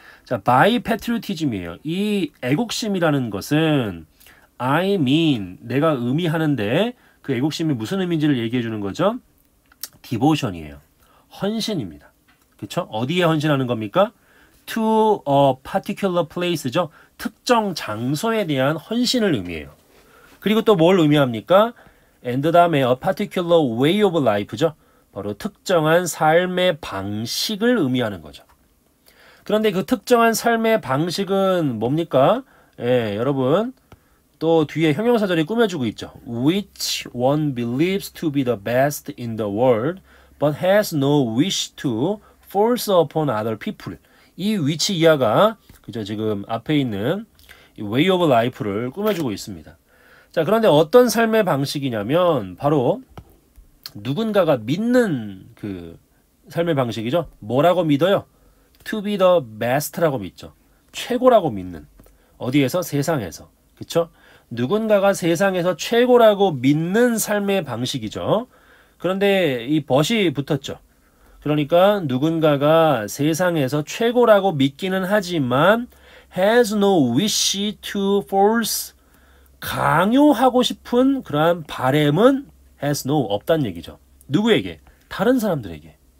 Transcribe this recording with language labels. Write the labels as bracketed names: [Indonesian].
[Korean] 자, [English] by patriotism [Korean] 이에요. 이 애국심이라는 것은 [English] I mean, [Korean] 내가 의미하는데 그 애국심이 무슨 의미인지를 얘기해 주는 거죠. 디보션이에요. 헌신입니다. 그렇죠? 어디에 헌신하는 겁니까? [English] To a particular place [Korean] 죠. 특정 장소에 대한 헌신을 의미해요. 그리고 또 뭘 의미합니까? [English] And that may a particular way of life [Korean] 죠. 바로 특정한 삶의 방식을 의미하는 거죠. 그런데 그 특정한 삶의 방식은 뭡니까? 예, 여러분 또 뒤에 형용사절이 꾸며주고 있죠. [English] Which one believes to be the best in the world but has no wish to force upon other people. [Korean] 이 which 이하가 그죠 지금 앞에 있는 way of life를 꾸며주고 있습니다. 자, 그런데 어떤 삶의 방식이냐면 바로 누군가가 믿는 그 삶의 방식이죠. 뭐라고 믿어요? [English] To be the best [Korean] 라고 믿죠. 최고라고 믿는. 어디에서? 세상에서. 그쵸? 누군가가 세상에서 최고라고 믿는 삶의 방식이죠. 그런데 이 but이 붙었죠. 그러니까 누군가가 세상에서 최고라고 믿기는 하지만 [English] has no wish to force [Korean] 강요하고 싶은 그러한 바람은 has no 없다는 얘기죠. 누구에게? 다른 사람들에게.